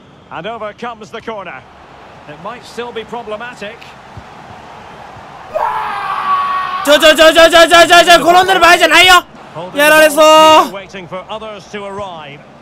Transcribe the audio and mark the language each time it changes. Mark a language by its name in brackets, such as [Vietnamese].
[English] And over comes the corner. It might still be problematic. [Japanese] ちょちょちょちょちょちょちょちょ、転んでる場合じゃないよ。やられそう。 [English] Waiting for others to arrive.